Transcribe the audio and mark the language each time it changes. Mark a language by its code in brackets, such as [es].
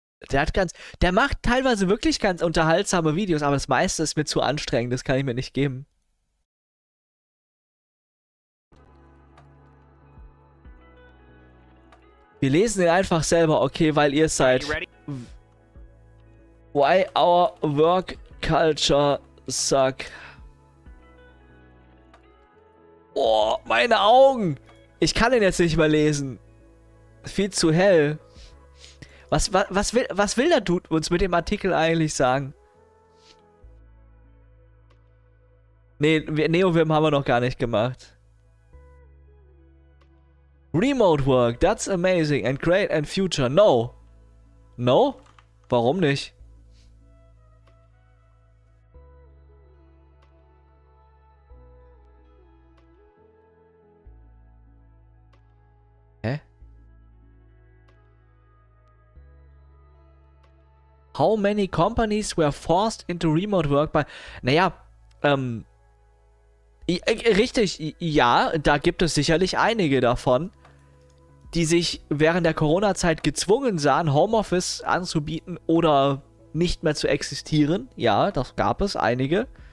[de] Der macht teilweise wirklich ganz unterhaltsame Videos, aber das meiste ist mir zu anstrengend, das kann ich mir nicht geben. Wir lesen ihn einfach selber, okay, weil ihr seid. [en] Why our work culture suck. [de] Oh, meine Augen! Ich kann ihn jetzt nicht mehr lesen. Viel zu hell. Was will der Dude uns mit dem Artikel eigentlich sagen? Nee, NeoWim haben wir noch gar nicht gemacht. [en] Remote work, that's amazing and great and future. No. No? [de] Warum nicht? Hä? [en] How many companies were forced into remote work by... [de] Naja, richtig, ja, da gibt es sicherlich einige davon, die sich während der Corona-Zeit gezwungen sahen, Homeoffice anzubieten oder nicht mehr zu existieren. Ja, das gab es einige.